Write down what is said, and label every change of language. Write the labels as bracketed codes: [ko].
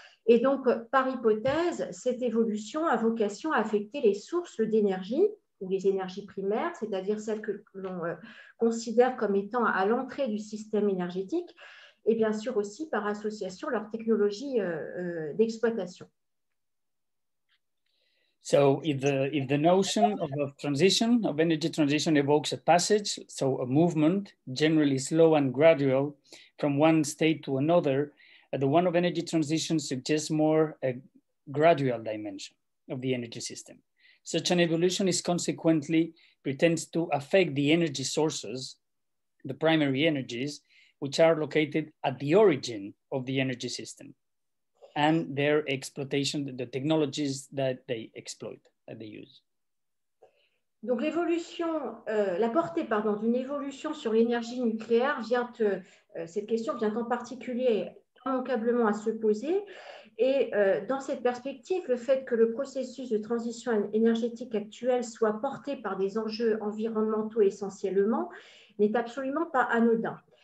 [fr] Et donc, par hypothèse, cette évolution a vocation à affecter les sources d'énergie ou les énergies primaires, c'est-à-dire celles que l'on considère comme étant à l'entrée du système énergétique, et bien sûr aussi par association leur technologie d'exploitation. [en] So if the notion of a transition, of energy transition, evokes a passage, so a movement, generally slow and gradual, from one state to another, the one of energy transition suggests more a gradual dimension of the energy system. Such an evolution is consequently pretends to affect the energy sources, the primary energies, which are located at the origin of the energy system and their exploitation, the technologies that they exploit, that they use. [fr] Donc l'évolution, la portée, pardon, d'une évolution sur l'énergie nucléaire vient, cette question vient en particulier immanquablement à se poser. Et dans cette perspective, le fait que le processus de transition énergétique actuel soit porté par des enjeux environnementaux essentiellement n'est absolument pas anodin.